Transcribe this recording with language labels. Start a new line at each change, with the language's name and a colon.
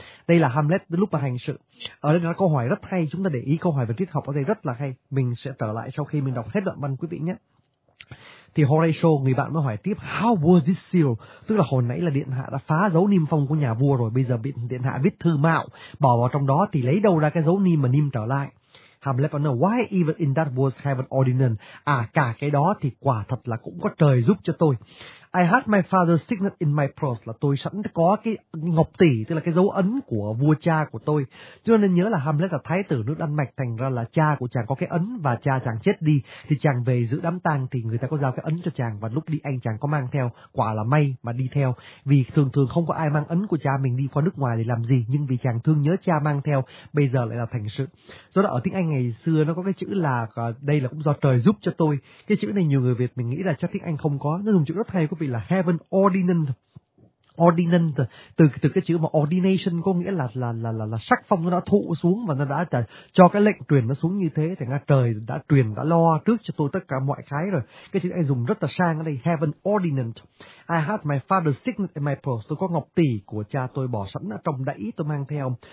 Vietnamese: Đây là Hamlet lúc mà hành sự. Ở đây là câu hỏi rất hay, chúng ta để ý câu hỏi về triết học ở đây rất là hay. Mình sẽ trở lại sau khi mình đọc hết đoạn văn quý vị nhé. Thì Horatio, người bạn mới hỏi tiếp,
English: how was this seal?
Vietnamese: Tức là hồi nãy là điện hạ đã phá dấu niêm phong của nhà vua rồi, bây giờ bị điện hạ viết thư mạo, bỏ vào trong đó thì lấy đâu ra cái dấu niêm mà niêm trở lại? Hamlet nói,
English: why even in that was heaven ordinance?
Vietnamese: À, cả cái đó thì quả thật là cũng có trời giúp cho tôi.
English: I had my father's signet in my purse,
Vietnamese: là tôi sẵn có cái ngọc tỷ, tức là cái dấu ấn của vua cha của tôi. Cho nên nhớ là Hamlet là thái tử nước Đan Mạch, thành ra là cha của chàng có cái ấn và cha chàng chết đi. Thì chàng về giữ đám tang thì người ta có giao cái ấn cho chàng, và lúc đi anh chàng có mang theo, quả là may mà đi theo. Vì thường thường không có ai mang ấn của cha mình đi qua nước ngoài để làm gì, nhưng vì chàng thương nhớ cha mang theo, bây giờ lại là thành sự. Do đó ở tiếng Anh ngày xưa nó có cái chữ là, đây là cũng do trời giúp cho tôi. Cái chữ này nhiều người Việt mình nghĩ là chắc tiếng Anh không có, nó dùng chữ rất hay, vì là
English: heaven ordinance,
Vietnamese: ordinance từ cái chữ mà ordination có nghĩa là sắc phong nó đã thụ xuống và nó đã cho cái lệnh truyền nó xuống như thế, thì là trời đã truyền đã lo trước cho tôi tất cả mọi cái rồi. Cái chữ anh dùng rất là sang ở đây,
English: heaven ordinance. I had my father's signet in my purse.
Vietnamese: Tôi có ngọc tỷ của cha tôi bỏ sẵn ở trong đẫy tôi mang theo.